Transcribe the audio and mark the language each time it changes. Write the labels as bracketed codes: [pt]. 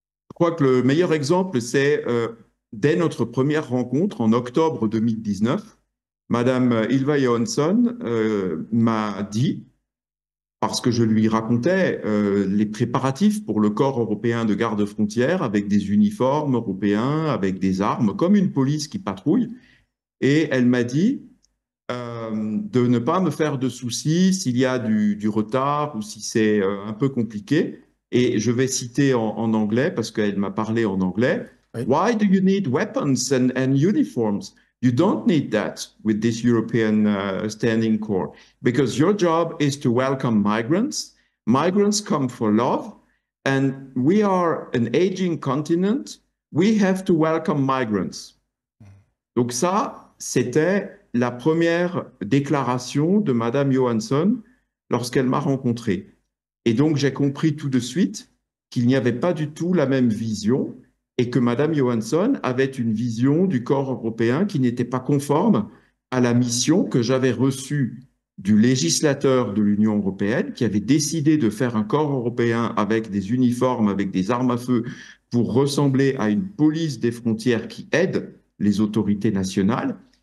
[fr] Je crois que le meilleur exemple, c'est... Dès notre première rencontre en octobre 2019, Madame Ylva Johansson m'a dit, parce que je lui racontais les préparatifs pour le corps européen de garde-frontières avec des uniformes européens, avec des armes, comme une police qui patrouille, et elle m'a dit de ne pas me faire de soucis s'il y a du retard ou si c'est un peu compliqué. Et je vais citer en anglais, parce qu'elle m'a parlé en anglais. [en] Why do you need weapons and uniforms? You don't need that with this European standing corps. Because your job is to welcome migrants. Migrants come for love. And we are an aging continent. We have to welcome migrants. [fr] Donc ça, c'était la première déclaration de Madame Johansson lorsqu'elle m'a rencontré. Et donc j'ai compris tout de suite qu'il n'y avait pas du tout la même vision et que Madame Johansson avait une vision du corps européen qui n'était pas conforme à la mission que j'avais reçue du législateur de l'Union européenne, qui avait décidé de faire un corps européen avec des uniformes, avec des armes à feu, pour ressembler à une police des frontières qui aide les autorités nationales.